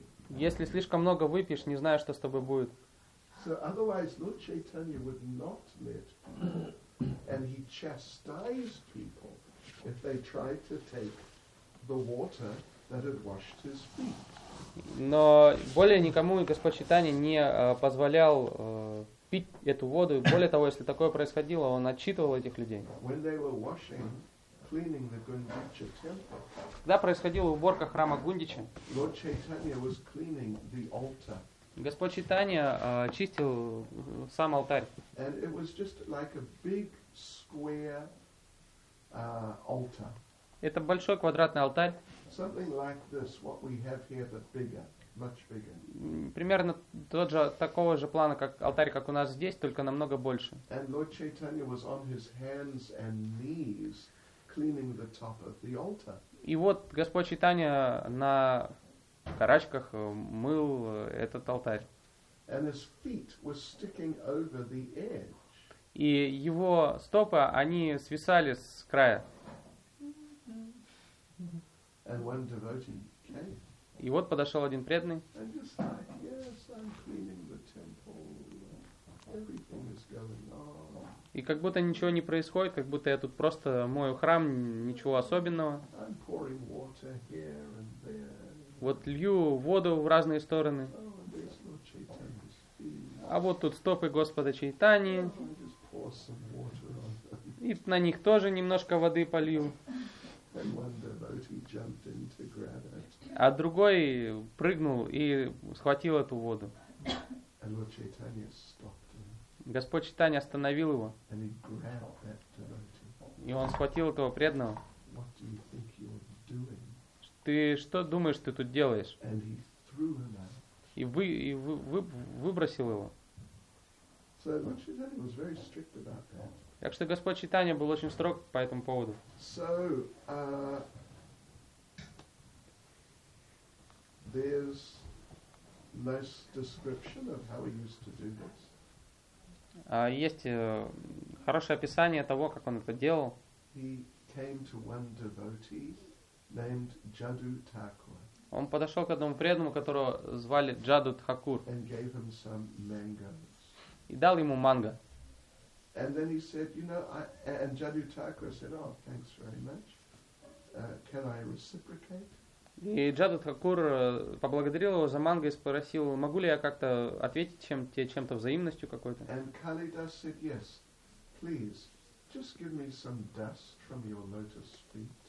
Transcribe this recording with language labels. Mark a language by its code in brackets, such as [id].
[ru] Если слишком много выпьешь, не знаю, что с тобой будет. [en] So otherwise, Lord Chaitanya would not let people, and he chastised people if they tried to take the water that had washed his feet. [ru] Но более никому Господь Чайтанья не позволял пить эту воду. Более того, если такое происходило, он отчитывал этих людей. [en] Washing, temple, [ru] когда происходила уборка храма Гундича, [en] Lord Chaitanya was cleaning the altar. [ru] Господь Чайтанья чистил сам алтарь. [en] And it was just like a big square, altar. [ru] Это большой квадратный алтарь. [en] Something like this, what we have here, but bigger, much bigger. [ru] Примерно тот же такого же плана, как алтарь, как у нас здесь, только намного больше. [en] And Lord Chaitanya was on his hands and knees cleaning the top of the altar. [ru] И вот Господь Чайтанья на карачках мыл этот алтарь. [en] And his feet were sticking over the edge. [ru] И его стопы, они свисали с края. [en] And one devotee came. [ru] И вот подошел один преданный. [en] And just like, yes, I'm cleaning the temple. Everything is going on. [ru] И как будто ничего не происходит, как будто я тут просто мою храм, ничего особенного. [en] I'm pouring water here and there. [ru] Вот лью воду в разные стороны. [en] Oh, and there's Lord Chaitanya's feet. [ru] А вот тут стопы Господа Чайтаньи. [en] I just pour some water on them. [ru] И на них тоже немножко воды полью. [en] And one devotee jumped in to grab it. [ru] А другой прыгнул и схватил эту воду. [en] And Lord Chaitanya stopped him. [ru] Господь Чайтанья остановил его. [en] And he grabbed that devotee. [ru] И он схватил этого преданного. [en] What do you think you're doing? [ru] Ты что думаешь, ты тут делаешь? [en] And he threw him out. [ru] И выбросил его. [en] So Lord Chaitanya was very strict about that. [ru] Так что Господь Чайтанья был очень строг по этому поводу. [en] So, there's no description of how he used to do this. [ru] Есть хорошее описание того, как он это делал. [en] He came to one devotee named Jadu Thakur. [ru] Он подошел к одному преданному, которого звали Джаду Тхакур. [en] And gave him some mangoes. [ru] И дал ему манго. [en] And then he said, you know, and Jadu Thakur said, oh, thanks very much. Can I reciprocate? [ru] И Джаду Тхакур поблагодарил его за манго и спросил, могу ли я как-то ответить чем-то взаимностью какой-то. [en] And Kalidas said, yes, please, just give me some dust from your lotus feet.